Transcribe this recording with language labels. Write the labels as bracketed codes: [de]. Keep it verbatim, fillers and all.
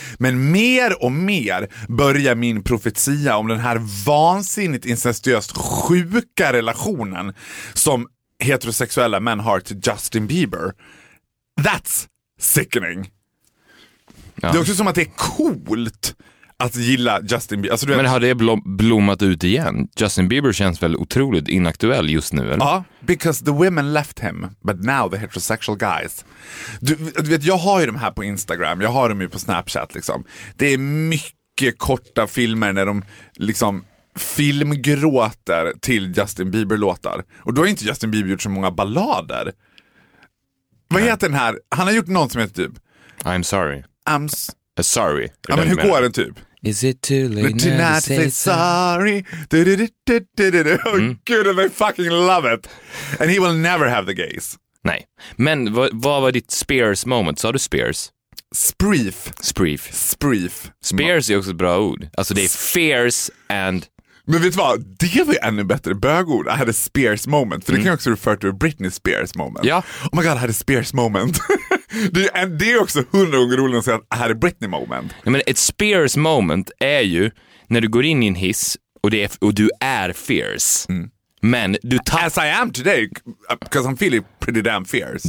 [sv] Men mer och mer börjar min profetia om den här vansinnigt incestuöst sjuka relationen som heterosexuella män har till Justin Bieber. [en] That's sickening. [sv] Ja. Det är också som att det är coolt att gilla Justin Bieber. Alltså, men vet... har det blom- blommat ut igen? Justin Bieber känns väl otroligt inaktuell just nu, eller? [en] Ja, because the women left him, but now the heterosexual guys. [sv] Du, du vet, jag har ju de här på Instagram, jag har dem ju på Snapchat liksom. Det är mycket korta filmer när de liksom... filmgråter till Justin Bieber-låtar. Och då har inte Justin Bieber gjort så många ballader. Vad heter den här? Han har gjort någon som heter typ [en] I'm sorry. I'm s- uh, sorry. [sv] Ja, men hur går den typ? [en] Is it too late to not say sorry? Du, du, du, du, du, du, du. Oh mm. gud, I fucking love it. And he will never have the gays. [sv] Nej. Men vad, vad var ditt Spears moment? Sa du Spears? Spreef. Spreef. Spreef. Spears är också ett bra ord. Alltså det är [en] fierce and... [sv] Men vet du vad? Det var ju ännu bättre bögord. [en] I had a Spears moment. [sv] För det mm. kan jag också refer till Britney Spears moment. Ja. [en] Oh my god, I had a Spears moment. [sv] det, är, det är också hundra gånger roligare att säga att [en] I had a Britney moment. [sv] Ja, men ett Spears moment är ju när du går in i en hiss och, det är, och du är fierce. Mm. Men du tapp- [en] As I am today, because I'm feeling pretty damn fierce.